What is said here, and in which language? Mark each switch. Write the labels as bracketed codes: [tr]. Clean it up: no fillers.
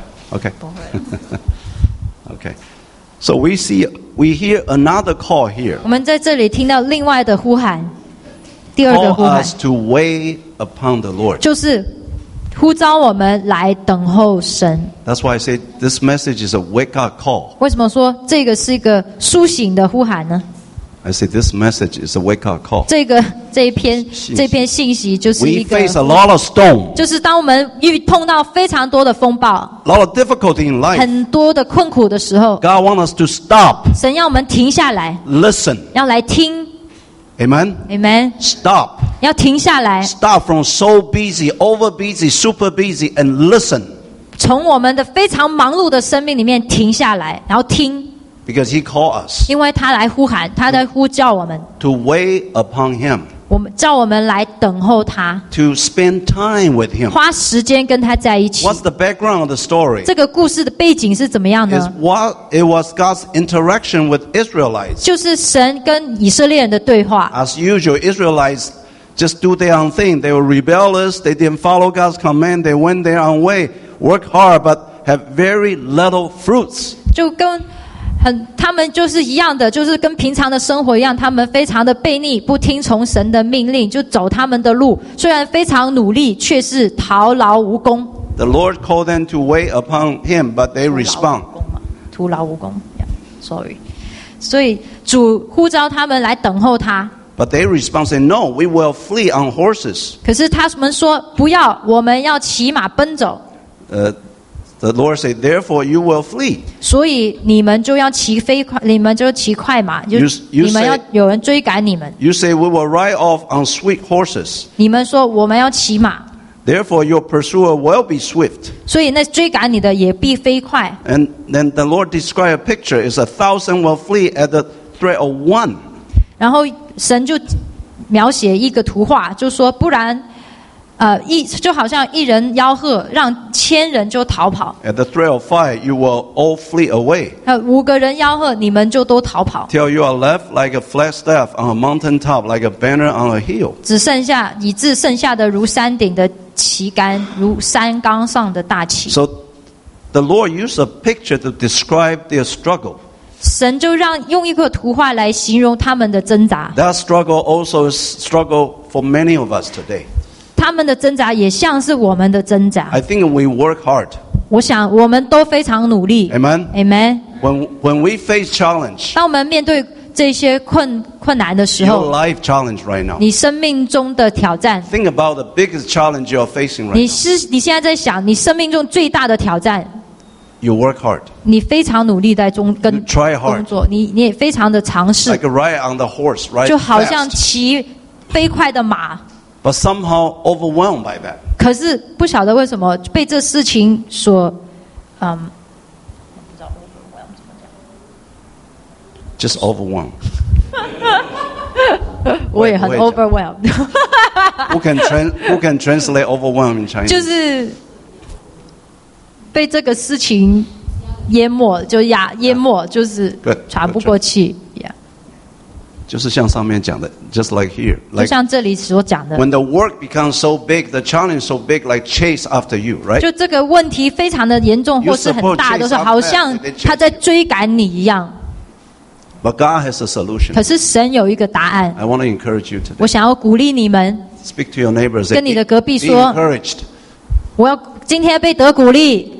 [zh] 会。 [en] OK. [zh] 不会。 [en] OK. So we hear another call here. [zh] 我们在这里听到另外的呼喊。第二个呼喊 [en] Call us to wait upon the Lord. [zh] 就是呼召我们来等候神。 [en] That's why I say this message is a wake up call. [zh] 为什么说这个是一个苏醒的呼喊呢？ [en] I say this message is a wake up call. [zh] 这篇信息就是一个。 [en] We face a lot of storm. [zh] 就是当我们遇碰到非常多的风暴。 [en] A lot of difficulty in life. [zh] 很多的困苦的时候。 [en] God wants us to stop. [zh] 神要我们停下来。 [en] Listen. [zh] 要来听。 [en] Amen. Amen. Stop. [zh] 要停下来。 [en] Stop from so busy, over busy, super busy, and listen. [zh] 从我们的非常忙碌的生命里面停下来，然后听。 [en] Because he called us. [zh] 因为他来呼喊，他在呼叫我们。 [en] To wait upon him. [zh] 我们叫我们来等候他。 [en] To spend time with him. [zh] 花时间跟他在一起。 [en] What's the background of the story? [zh] 这个故事的背景是怎么样呢？ [en] It was God's interaction with Israelites. 就是神跟以色列人的对话。 As usual, Israelites just do their own thing. They were rebellious. They didn't follow God's command. They went their own way. Work hard, but have very little fruits. [zh] 就跟他们就是一样的，就是跟平常的生活一样，他们非常的悖逆，不听从神的命令，就走他们的路。虽然非常努力，却是徒劳无功。 [en] The Lord called them to wait upon Him, but they respond. [zh] 徒劳无功 [en] yeah, sorry. [zh] 所以主呼召他们来等候他。 [en] But they respond, saying, "No, we will flee on horses." [zh] 可是他们说不要，我们要骑马奔走。 [en] The Lord said, therefore you will flee. [zh] 所以你们就要骑飞快，你们就骑快马，就你们要有人追赶你们。 [en] You say we will ride off on swift horses. [zh] 你们说我们要骑马。 [en] Therefore your pursuer will be swift. [zh] 所以那追赶你的也必飞快。 [en] And then the Lord described a picture: is 1,000 will flee at the threat of one. [zh] 然后神就描写一个图画，就说不然。就好像一人吆喝，让千人就逃跑。 [en] At the threat of five, you will all flee away. [zh] 五个人吆喝，你们就都逃跑。 [en] Till you are left like a flagstaff on a mountain top, like a banner on a hill. [zh] 以致剩下的如山顶的旗杆，如山冈上的大旗。 [en] So the Lord used a picture to describe their struggle. [zh] 神就用一个图画来形容他们的挣扎。 [en] That struggle also is struggle for many of us today. [zh] 他们的挣扎也像是我们的挣扎。 [en] I think we work hard. [zh] 我想我们都非常努力。 [en] Amen. Amen. When we face challenge, [zh] 当我们面对这些困难的时候 [en] ，Your life challenge right now. [zh] 你生命中的挑战。 [en] Think about the biggest challenge you're facing right now. [zh] 你现在在想你生命中最大的挑战。 [en] You work hard. [zh] 你非常努力在中跟工作，你也非常的尝试。 [en] Like ride on the horse, right? [zh] 就好像骑飞快的马。 [en] But somehow overwhelmed by that. [zh] 可是不晓得为什么被这事情所， [en] Just overwhelmed. [zh] 我也很 overwhelmed. [en] Who can translate overwhelmed in Chinese? [zh] 就是被这个事情淹没，就是喘不过气。就是像上面讲的 ， [en] just like here， [zh] 就像这里所讲的。 [en] When the work becomes so big, the challenge so big, like chase after you, right？ [zh] 就这个问题非常的严重，或是很大，都是好像他在追赶你一样。 [en] But God has a solution. [zh] 可是神有一个答案。 [en] I want to encourage you today. [zh] 我想要鼓励你们。 [en] Speak to your neighbors. [zh] 跟你的隔壁说。 [en] Be encouraged. [zh] 我要今天被得鼓励。